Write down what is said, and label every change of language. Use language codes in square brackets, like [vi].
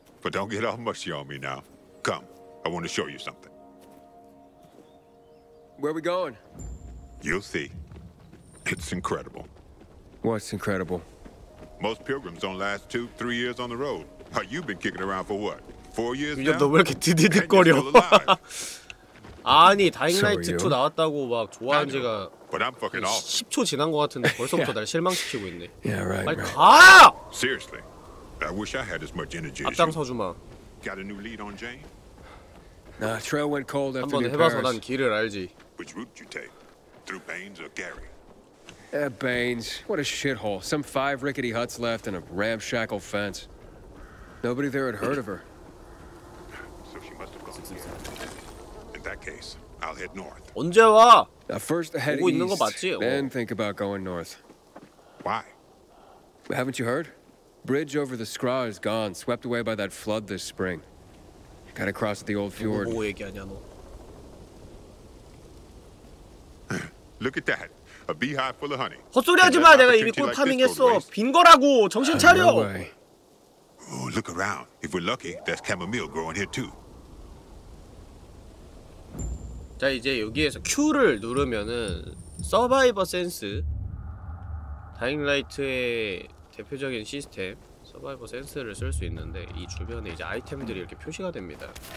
[en] But don't get all mushy on me now. Come, I want to show you something. Where are we going? You'll see. It's incredible. What's incredible? Most pilgrims don't last 2-3 years on the road. How you been kicking around for what? 4 years now? [ko] 야, 너 왜 이렇게 디디디거려? 아니, 다잉라이트 2 나왔다고 막 좋아한 지가 10초 지난 것 같은데 벌써부터 날 실망시키고 있네. 빨리 가! [en] Seriously. I wish I had as much energy. [ko] 앞장서주마. [en] Got a new lead on Jane? Nah, trail went cold after. [ko] 한번 해봐서 난 길을 알지. [en] Which route you take? Through Baines or Gary? Baines. What a shithole. Some 5 rickety huts left and a ramshackle fence. Nobody there had heard of her. So she must have gone here. In that case, I'll head north. [ko] 언제 와? [en] Now first head east. [ko] 있는 거 맞지? [en] Then think about going north. Why? Haven't you heard? Bridge over the Skra is gone, swept away by that flood this spring. Gotta cross the old fjord. [ko] 뭐 얘기하냐 너? [en] Look at that, a beehive full of honey. [ko] 헛소리하지 마, 내가 이미 꿀 파밍했어. 빈 거라고, 정신 차려. [en] Oh, look around. If we're lucky, there's chamomile growing here too. [ko] 자 이제 여기에서 Q를 누르면은 서바이버 센스, 다잉라이트의 대표적인 시스템 서바이버 센스를 쓸 수 있는데 이 주변에 이제 아이템들이 이렇게 표시가 됩니다.